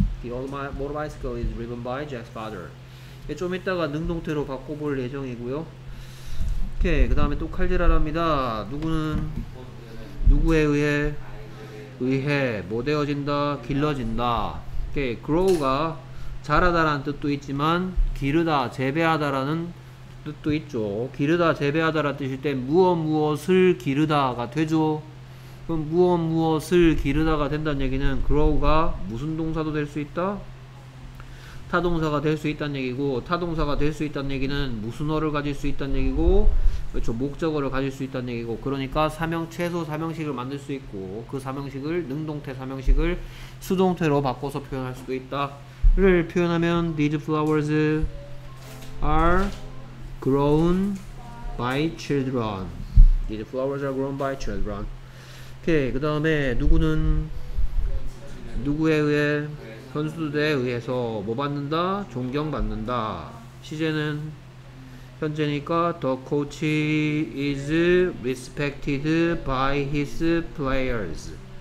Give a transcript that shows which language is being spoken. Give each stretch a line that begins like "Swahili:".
English: The old motorcycle is driven by Jack's father.
Korean: 좀 이따가 능동태로 바꿔볼 예정이고요. 오케이. 그 다음에 또 칼질하랍니다. 누구에 의해 뭐 되어진다? 길러진다. 이렇게 grow가 자라다라는 뜻도 있지만 기르다, 재배하다라는 뜻도 있죠. 기르다, 재배하다라는 뜻일 때 무엇무엇을 기르다가 되죠. 그럼 무엇무엇을 기르다가 된다는 얘기는 grow가 무슨 동사도 될수 있다? 타동사가 될수 있다는 얘기고, 타동사가 될수 있다는 얘기는 무순어를 가질 수 있다는 얘기고, 그렇죠. 목적어를 가질 수 있다는 얘기고, 그러니까 최소 삼형식을 만들 수 있고, 그 삼형식을, 능동태 삼형식을 수동태로 바꿔서 표현할 수도 있다를 표현하면,
English: These flowers are grown by children. These flowers are grown by children.
Korean: 오케이. 그 다음에, 누구는, 누구에 의해, 선수들에 의해서 뭐 받는다? 존경받는다. 시제는 현재니까
English: The coach is respected by his players.